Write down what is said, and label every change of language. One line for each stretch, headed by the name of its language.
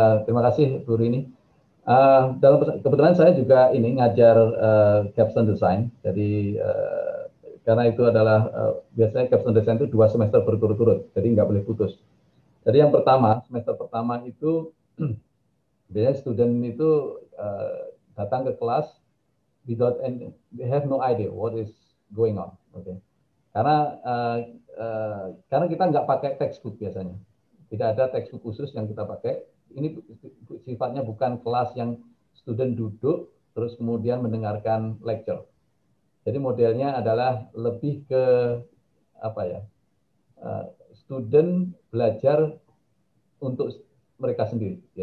Indonesian: Terima kasih Bu Rini. Dalam kebetulan saya juga ini ngajar capstone design. Jadi karena itu adalah biasanya capstone design itu 2 semester berturut-turut, jadi nggak boleh putus. Jadi yang pertama semester pertama itu biasanya student itu datang ke kelas.
English: Without and they have no idea what is going on, okay?
Indonesian: Karena kita nggak pakai textbook biasanya, tidak ada textbook khusus yang kita pakai, ini sifatnya bukan kelas yang student duduk terus kemudian mendengarkan lecture. Jadi modelnya adalah lebih ke apa ya, student belajar untuk mereka sendiri.